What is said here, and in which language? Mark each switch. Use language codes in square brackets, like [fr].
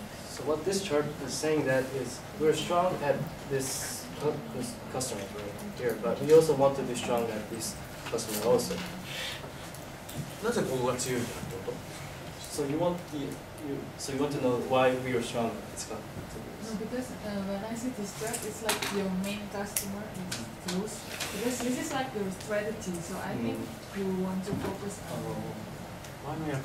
[en] So what this chart is saying that is we're strong at this customer right here, but we also want to be strong at this customer also. [ja] なぜここが強いかってこと。 [en] So you want theSo you want to know why we are strong at this company? No, because when I see this chart, it's like your main customer is close. Because this is like your strategy, so I think you want to focus on it.